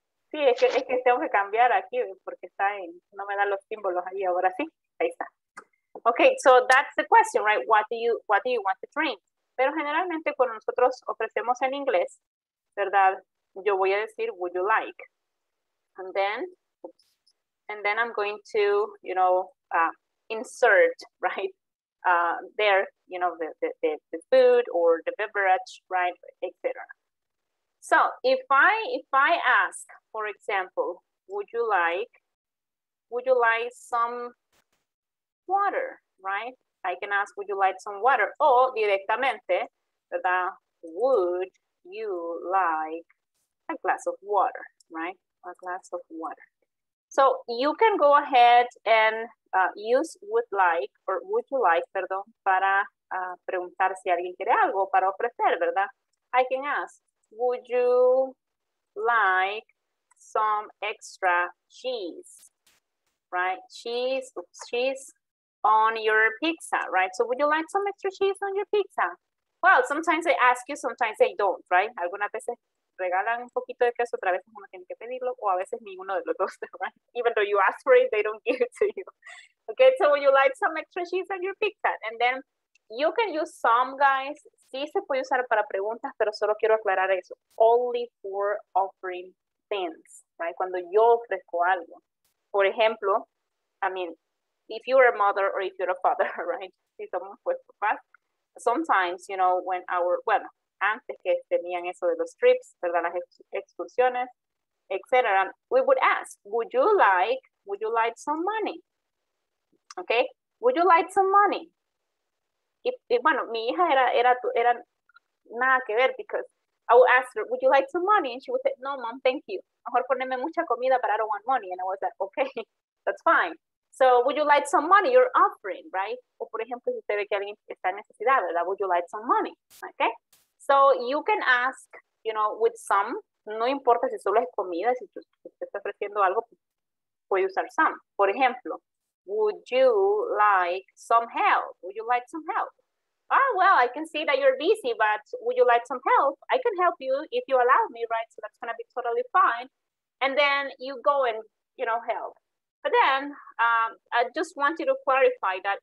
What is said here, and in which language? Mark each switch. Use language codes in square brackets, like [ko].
[es] Sí, es que tengo que cambiar aquí porque está en, no me dan los símbolos ahí, ahora sí, ahí está. [en] Okay, so that's the question, right? What do you want to drink? [es] Pero generalmente cuando nosotros ofrecemos en inglés, ¿verdad? Yo voy a decir, [en] would you like? And then I'm going to, you know, insert, right? The food or the beverage, right, etc. So if I ask, for example, would you like some water, right? I can ask, would you like some water? Or [es] directamente, [en] would you like a glass of water, right? A glass of water. So you can go ahead and use would like or would you like, [es] perdón, para preguntar si alguien quiere algo, para ofrecer, ¿verdad? [en] I can ask, would you like some extra cheese, right? Cheese on your pizza, right? So would you like some extra cheese on your pizza? Well, sometimes they ask you, sometimes they don't, right? [es] Algunas veces regalan un poquito de queso, otra vez uno tiene que pedirlo, o a veces ninguno de los dos, right? [en] Even though you ask for it, they don't give it to you. Okay, so would you like some extra cheese on your pizza? And then you can use some, guys. [es] Sí se puede usar para preguntas, pero solo quiero aclarar eso. [en] Only for offering things, right? [es] Cuando yo ofrezco algo. Por ejemplo, [en] I mean, if you're a mother or if you're a father, right? [es] Si somos pues papás. [en] Sometimes, you know, when our, [es] bueno, antes que tenían eso de los trips, ¿verdad? Las excursiones, etc. [en] We would ask, would you like some money? Okay, would you like some money? [es] Y bueno, mi hija era nada que ver, [en] because I would ask her, would you like some money? And she would say, no, mom, thank you. [es] Mejor poneme mucha comida, [en] but I don't want money. And I was like, okay, that's fine. So would you like some money? You're offering, right? [es] O por ejemplo, si usted ve que alguien está en necesidad, ¿verdad? [en] Would you like some money? Okay, so you can ask, you know, with some. [es] No importa si solo es comida, si usted está ofreciendo algo, puede usar some. Por ejemplo, [en] would you like some help? Would you like some help? Oh, well, I can see that you're busy, but would you like some help? I can help you if you allow me, right? So that's going to be totally fine. And then you go and, you know, help. But then I just want you to clarify that.